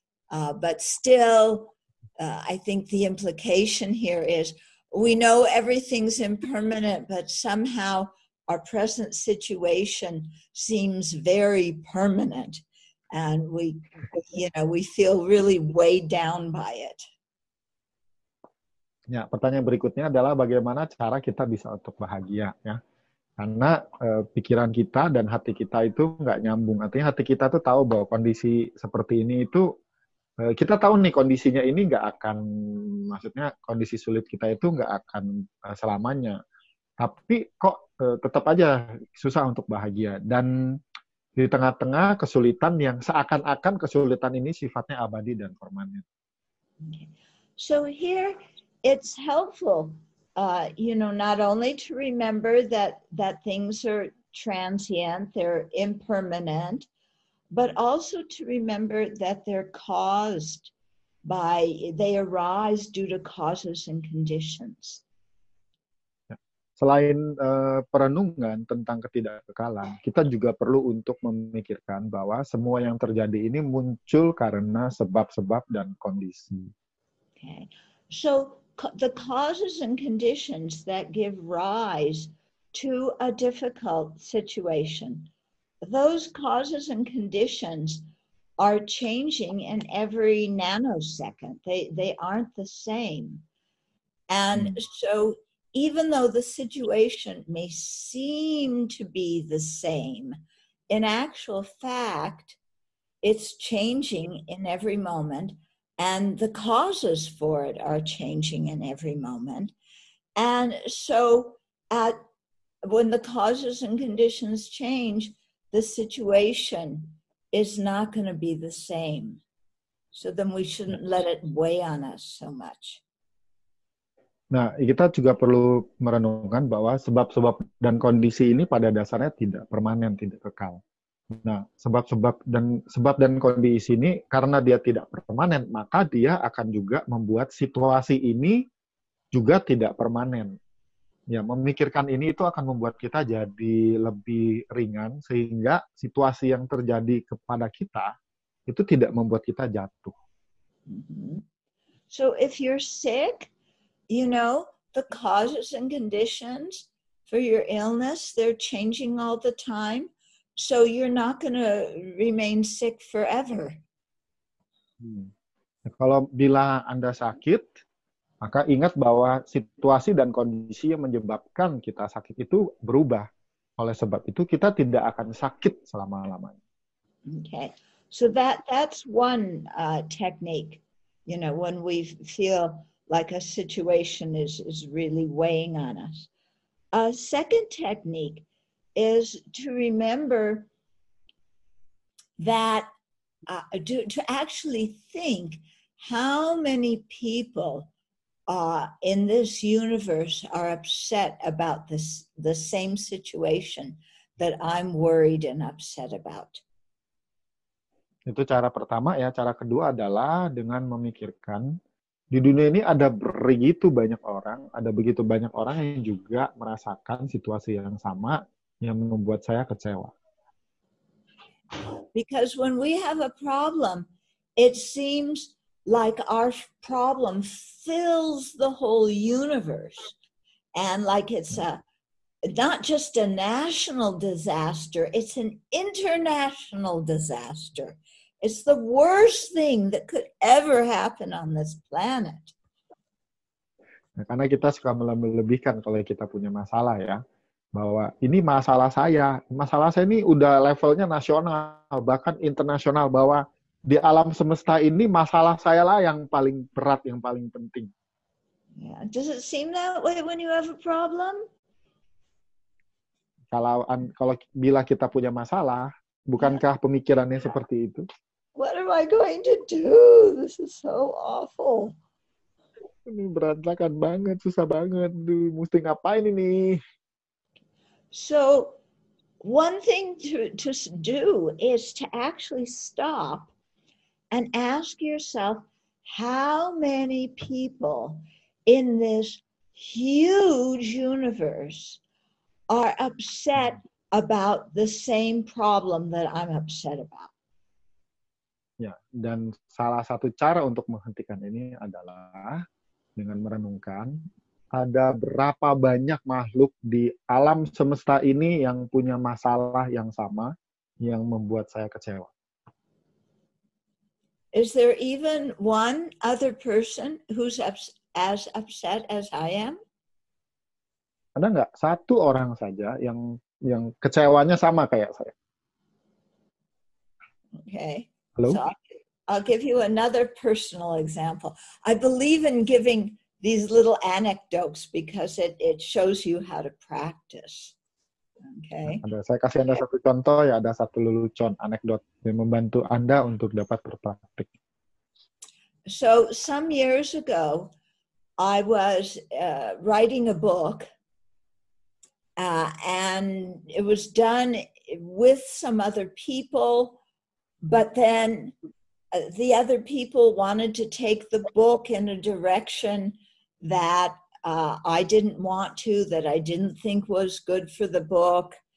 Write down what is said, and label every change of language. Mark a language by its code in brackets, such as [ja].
[en] But still, I think the implication here is we know everything's impermanent, but somehow our present situation seems very permanent. And we, you know, we feel really weighed down by it. [id] Ya, pertanyaan berikutnya adalah bagaimana cara kita bisa untuk bahagia, ya? Karena pikiran kita dan hati kita itu nggak nyambung. Artinya hati kita tuh tahu bahwa kondisi seperti ini itu, kita tahu nih kondisinya ini nggak akan, maksudnya kondisi sulit kita itu nggak akan selamanya. Tapi kok tetap aja susah untuk bahagia. Dan di tengah-tengah kesulitan yang seakan-akan kesulitan ini sifatnya abadi dan permanen. [en] So here it's helpful, you know, not only to remember that things are transient, they're impermanent, but also to remember that they're caused by, they arise due to causes and conditions. [id] Selain perenungan tentang ketidakkekalan, kita juga perlu untuk memikirkan bahwa semua yang terjadi ini muncul karena sebab-sebab dan kondisi. [en] Okay. So the causes and conditions that give rise to a difficult situation, those causes and conditions are changing in every nanosecond. They aren't the same. And so even though the situation may seem to be the same, in actual fact, it's changing in every moment, and the causes for it are changing in every moment. And so when the causes and conditions change, the situation is not going to be the same. So then we shouldn't let it weigh on us so much. [id] Nah, kita juga perlu merenungkan bahwa sebab-sebab dan kondisi ini pada dasarnya tidak permanen, tidak kekal. Nah, sebab dan kondisi ini karena dia tidak permanen, maka dia akan juga membuat situasi ini juga tidak permanen. Ya, memikirkan ini itu akan membuat kita jadi lebih ringan sehingga situasi yang terjadi kepada kita itu tidak membuat kita jatuh. [en] So if you're sick, you know, the causes and conditions for your illness, they're changing all the time. So you're not going to remain sick forever. [id] Kalau bila Anda sakit, maka ingat bahwa situasi dan kondisi yang menyebabkan kita sakit itu berubah. Oleh sebab itu, kita tidak akan sakit selama-lamanya. [en] Okay. So that's one technique, you know, when we feel like a situation is really weighing on us. A second technique is to remember that, to actually think how many people in this universe are upset about the same situation that I'm worried and upset about. [id] Itu cara pertama ya. Cara kedua adalah dengan memikirkan di dunia ini ada begitu banyak orang, ada begitu banyak orang yang juga merasakan situasi yang sama yang membuat saya kecewa. [en] Because when we have a problem, it seems like our problem fills the whole universe. And like it's a not just a national disaster, it's an international disaster. It's the worst thing that could ever happen on this planet. [id] Nah, karena kita suka melebih-lebihkan kalau kita punya masalah ya. Bahwa ini masalah saya ini udah levelnya nasional, bahkan internasional. Bahwa di alam semesta ini masalah saya lah yang paling berat, yang paling penting. [en] Yeah. Does it seem that way when you have a problem? [id] Kalau bila kita punya masalah, bukankah pemikirannya seperti itu? [en] What am I going to do? This is so awful. [id] Ini berantakan banget, susah banget. Duh, mesti ngapain ini? [en] So, one thing to do is to actually stop and ask yourself how many people in this huge universe are upset about the same problem that I'm upset about. [id] Ya, dan salah satu cara untuk menghentikan ini adalah dengan merenungkan ada berapa banyak makhluk di alam semesta ini yang punya masalah yang sama yang membuat saya kecewa. [en] Is there even one other person who's as upset as I am? [id] Ada nggak satu orang saja yang kecewanya sama kayak saya. [en] Okay. Hello? So I'll give you another personal example. I believe in giving these little anecdotes because it shows you how to practice. Okay. [id] Ada saya kasih Anda satu contoh ya, ada satu lelucon anekdot yang membantu Anda untuk dapat berpraktik. [en] So some years ago, I was writing a book. And it was done with some other people, but then the other people wanted to take the book in a direction that I didn't want to, that I didn't think was good for the book.